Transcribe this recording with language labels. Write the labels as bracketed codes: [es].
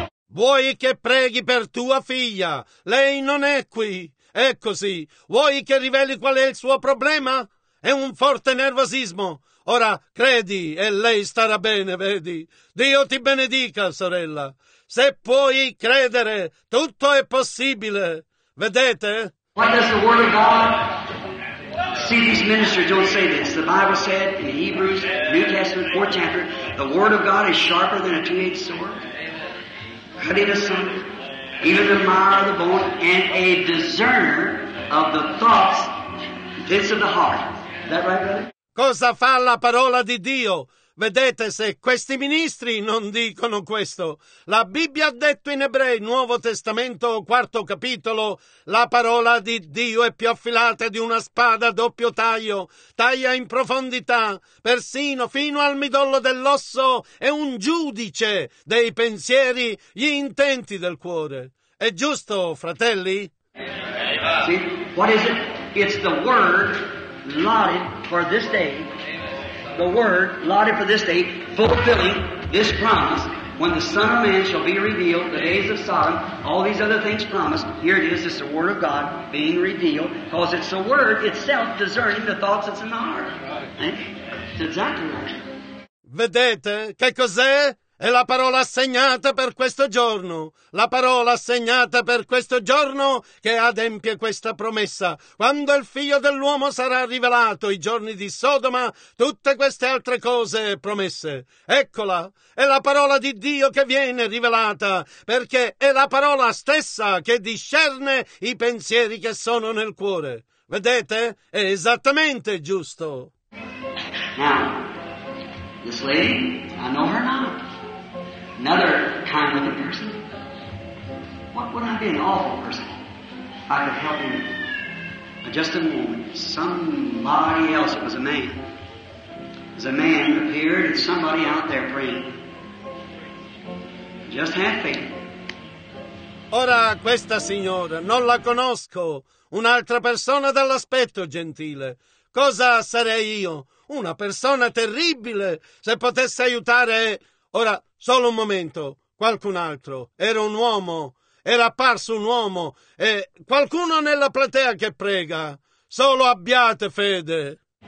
[it] Vuoi che preghi per tua figlia? Lei non è qui. È così. Vuoi che riveli qual è il suo problema? È un forte nervosismo. Ora, credi, e lei starà bene, vedi. Dio ti benedica, sorella. Se puoi credere, tutto è possibile. Vedete? [en] What does the word of God? See, these ministers don't say this. The Bible said in Hebrews, New Testament, 4th chapter, the word of God is sharper than a two-edged sword. Cutting asunder, even the marrow of the bone, and a discerner of the thoughts, intents of the heart. Is that right, brother? [it] Cosa fa la parola di Dio? Vedete se questi ministri non dicono questo. La Bibbia ha detto in Ebrei, Nuovo Testamento, 4 capitolo, la parola di Dio è più affilata di una spada a doppio taglio, taglia in profondità, persino fino al midollo dell'osso, è un giudice dei pensieri, gli intenti del cuore. È giusto, fratelli? Sì. [en] What is it? It's the word allotted for this day. The word lauded for this day, fulfilling this promise, when the Son of Man shall be revealed, the days of Sodom, all these other things promised, here it is, it's the word of God being revealed, because it's the word itself discerning the thoughts that's in the heart. Right. It's exactly right. [it] Vedete che cos'è? È la parola assegnata per questo giorno, la parola assegnata per questo giorno che adempie questa promessa. Quando il figlio dell'uomo sarà rivelato, i giorni di Sodoma, tutte queste altre cose promesse. Eccola, è la parola di Dio che viene rivelata, perché è la parola stessa che discerne i pensieri che sono nel cuore. Vedete? È esattamente giusto. [en] Now, this lady, I know her not. Another kind of a person. What would I be, an awful person? I could help him. Just a moment. Somebody else. It was a man. It was a man appeared and somebody out there praying. Just have faith. [it] Ora questa signora, non la conosco. Un'altra persona dall'aspetto gentile. Cosa sarei io? Una persona terribile. Se potesse aiutare... Ora, solo un momento, qualcun altro, era un uomo, era apparso un uomo, e qualcuno nella platea che prega, solo abbiate fede.